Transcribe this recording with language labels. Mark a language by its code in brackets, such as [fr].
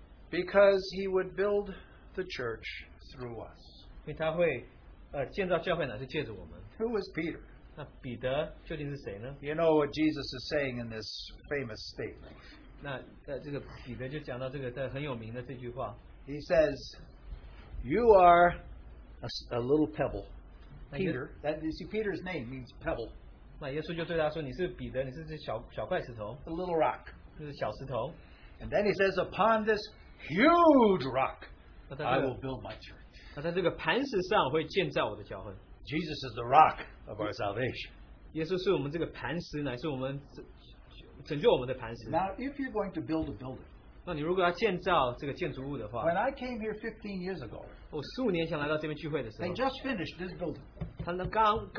[en] because he would build the church through us. [zh] 因为他会, 建造教会呢, [en] who is Peter? [zh] 那彼得究竟是谁呢? [en] You know what Jesus is saying in this famous statement. [zh] 那这个彼得就讲到这个很有名的这句话。 [en] He says, "You are a little pebble." Peter, that you see, Peter's name means pebble. [zh] 那耶稣就对他说，你是彼得，你是这小小块石头。 [en] A little rock. [zh] 就是小石头。 [en] And then he says, "Upon this huge rock, [zh] 那在这个, [en] I will build my church." [zh] 那在这个磐石上会建造我的教会。 [en] Jesus is the rock of our salvation. [zh] 耶稣是我们这个磐石，乃是我们拯救我们的磐石。 [en] Now, if you're going to build a building, when I came here 15 years ago, they just finished this building.